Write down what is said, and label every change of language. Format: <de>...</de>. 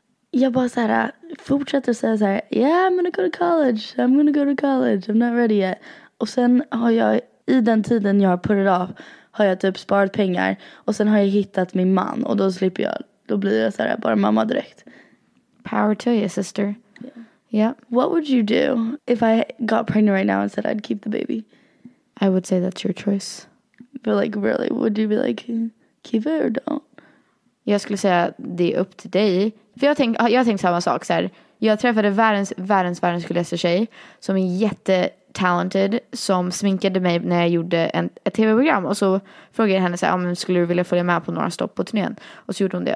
<sv>Jag bara så här, fortsätter säga så här,</sv> <en>yeah, I'm gonna go to college, I'm gonna go to college, I'm not ready yet.</en> <sv>Och sen har jag, i den tiden jag har</sv> <en>put it off,</en> <sv>har jag typ sparat pengar. Och sen har jag hittat min man, och då slipper jag, då blir jag så här, bara mamma direkt.</sv> <en>Power to you, sister. Yeah. What would you do if I got pregnant right now and said I'd keep the baby? I would say that's your choice. But like, really, would you be like, keep it or don't?</en> <sv>Jag skulle säga det är upp till dig. För jag tänkte samma sak. Så här. Jag träffade världens gulligaste tjej. Som är jättetalented. Som sminkade mig när jag gjorde ett tv-program. Och så frågade jag henne, så här, skulle du vilja följa med på några stopp på turnén? Och så gjorde hon det.</sv>